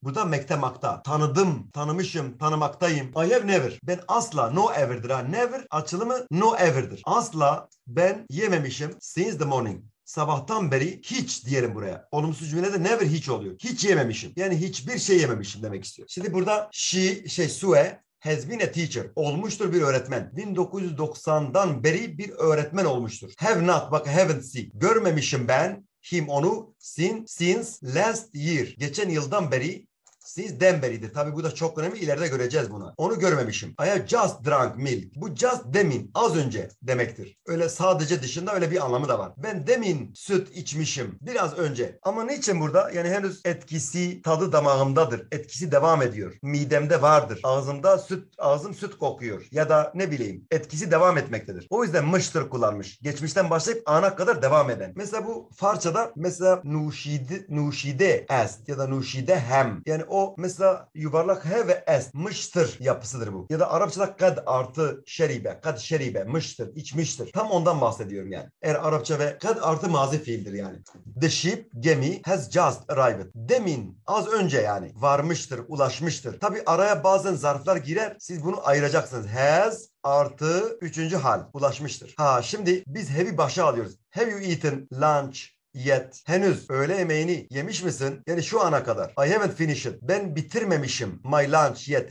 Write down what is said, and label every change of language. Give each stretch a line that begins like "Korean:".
Turkish: Burada mekte makta. Tanıdım, tanımışım, tanımaktayım.
English: I have never.
Turkish: Ben asla, no ever'dir ha. Never açılımı no ever'dir. Asla ben yememişim
English: since the morning.
Turkish: Sabahtan beri hiç diyelim buraya. Olumsuz cümlede never hiç oluyor. Hiç yememişim. Yani hiçbir şey yememişim demek istiyor. Şimdi burada
English: Sue has been a teacher.
Turkish: Olmuştur bir öğretmen. 1990'dan beri bir öğretmen olmuştur.
English: Have not,
Turkish: bak
English: haven't seen.
Turkish: Görmemişim ben him onu
English: since last year.
Turkish: Geçen yıldan beri. Sizden beridir. Tabii bu da çok önemli. İleride göreceğiz bunu. Onu görmemişim.
English: I have just drank milk.
Turkish: Bu just demin, az önce demektir. Öyle sadece dışında öyle bir anlamı da var. Ben demin süt içmişim. Biraz önce. Ama niçin burada? Yani henüz etkisi tadı damağımdadır. Etkisi devam ediyor. Midemde vardır. Ağzımda süt, ağzım süt kokuyor. Ya da ne bileyim. Etkisi devam etmektedir. O yüzden mıştır kullanmış. Geçmişten başlayıp ana kadar devam eden. Mesela bu farçada mesela
Persian: nuşide est
Turkish: ya da
Persian: nuşide hem.
Turkish: Yani o mesela yuvarlak he ve es mıştır yapısıdır bu. Ya da Arapçada kad artı şeribe,
Arabic: kad şeribe,
Turkish: mıştır, içmiştir. Tam ondan bahsediyorum yani. Eğer Arapça ve kad artı mazi fiildir yani.
English: The ship, gemi, has just arrived.
Turkish: Demin, az önce yani varmıştır, ulaşmıştır. Tabii araya bazen zarflar girer. Siz bunu ayıracaksınız. Has artı üçüncü hal, ulaşmıştır. Ha şimdi biz have'i başa alıyoruz.
English: Have you eaten lunch? Yet.
Turkish: Henüz öğle yemeğini yemiş misin? Yani şu ana kadar.
English: I haven't finished.
Turkish: Ben bitirmemişim.
English: My lunch yet.